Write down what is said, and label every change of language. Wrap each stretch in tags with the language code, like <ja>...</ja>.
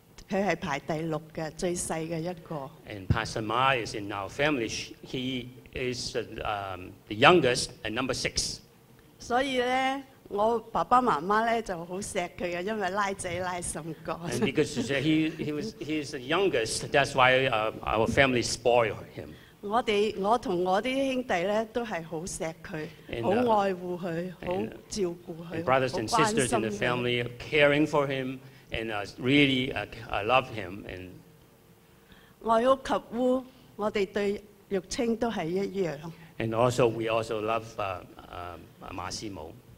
<yue>佢係排第六嘅最細嘅一個。</yue> <en>And Pastor Ma is in our family. He is the youngest and number six.</en> <yue>所以咧，我爸爸媽媽咧就好錫佢嘅，因為拉仔拉甚哥。</yue> <en>And because he's the youngest, that's why our family spoil him.</en> <yue>我同我啲兄弟咧都係好錫佢，好愛護佢，好照顧佢。</yue> <en>Brothers and sisters in the family caring for him. And really, I love him. And</en> <yue>外屋及烏，我哋對玉清都係一樣。</yue> <en>And also, we also love馬師母。</en>